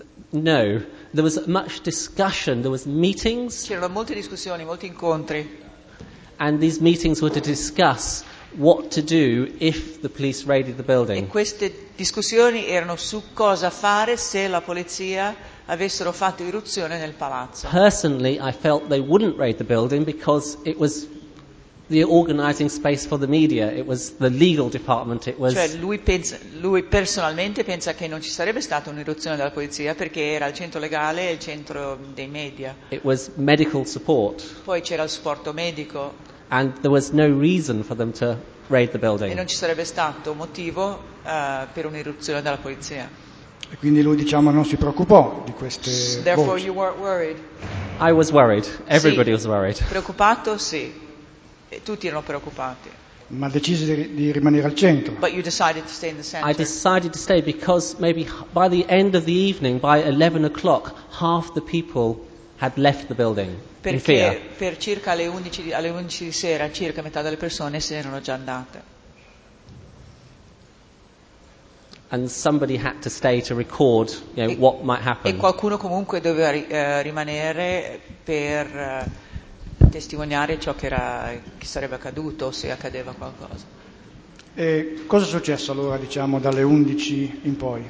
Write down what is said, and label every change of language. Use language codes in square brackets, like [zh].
[en] No, there was much discussion, there was meetings. [it] C'erano molte discussioni, molti incontri. [en] And these meetings were to discuss what to do if the police raided the building. [it] E queste discussioni erano su cosa fare se la polizia avessero fatto irruzione nel palazzo. [en] Personally, I felt they wouldn't raid the building because it was the organizing space for the media, it was the legal department, it was. [it] Cioè, lui personalmente pensa che non ci sarebbe stata un'irruzione della polizia perché era il centro legale e il centro dei media. [en] It was medical support. [it] Poi c'era il supporto medico. [en] And there was no reason for them to raid the building. [it] E non ci sarebbe stato motivo per un'irruzione della polizia. E quindi lui, diciamo, non si preoccupò di queste [en] Therefore [it] voci. [en] You weren't worried. I was worried. Everybody was worried. [it] Preoccupato, sì. E tutti erano preoccupati. Ma decise di rimanere al centro. [en] But you decided to stay in the center. I decided to stay because maybe by the end of the evening, by 11 o'clock, half the people had left the building. [it] Perché [en] in fear. [it] Per circa alle 11 di sera, circa metà delle persone si erano già andate. [en] and somebody had to stay to record, you know, what might happen. [it] E qualcuno comunque doveva rimanere per testimoniare ciò che era, che sarebbe accaduto se accadeva qualcosa. E cosa è successo allora, diciamo, dalle 11 in poi?